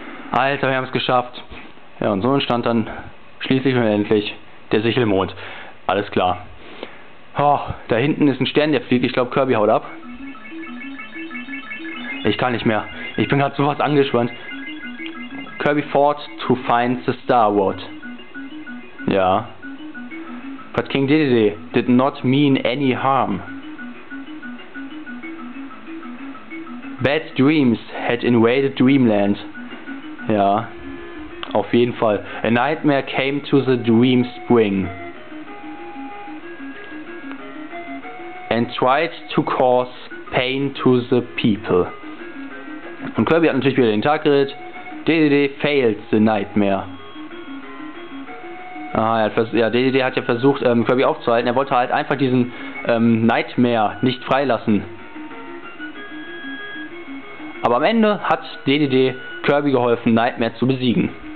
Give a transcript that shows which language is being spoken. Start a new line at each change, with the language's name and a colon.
German: Alter, wir haben es geschafft. Ja, und so entstand dann schließlich und endlich der Sichelmond. Alles klar. Oh, da hinten ist ein Stern, der fliegt. Ich glaube, Kirby haut ab. Ich kann nicht mehr. Ich bin gerade sowas angespannt.
English: Kirby fought to find the Star Wars. Ja. But King Dedede did not mean any harm. Bad dreams had invaded Dreamland.
German: Ja. Auf jeden Fall.
English: A nightmare came to the Dream Spring. And tried to cause pain to the people.
German: Und Kirby hat natürlich wieder den Tag gerettet.
English: Dedede failed the nightmare.
German: Ah, ja, Dedede hat ja versucht, Kirby aufzuhalten. Er wollte halt einfach diesen Nightmare nicht freilassen. Aber am Ende hat Dedede Kirby geholfen, Nightmare zu besiegen.